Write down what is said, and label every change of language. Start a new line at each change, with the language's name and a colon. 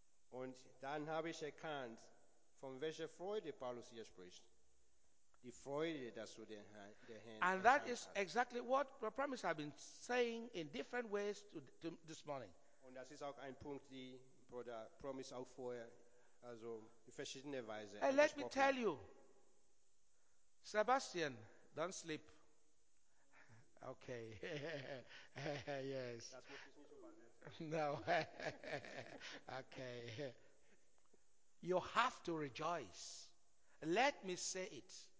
German: Und dann habe ich erkannt, von welcher Freude Paulus hier spricht. Die Freude, dass du den Herrn hast.
English: And that is exactly what the promise I've been saying in different ways to this morning.
German: Und das ist auch ein Punkt, die Bruder Promise auch vorher, also in verschiedenen Weise.
English: And let me tell you, Sebastian, don't sleep. Okay. Yes. No. Okay. You have to rejoice. Let me say it.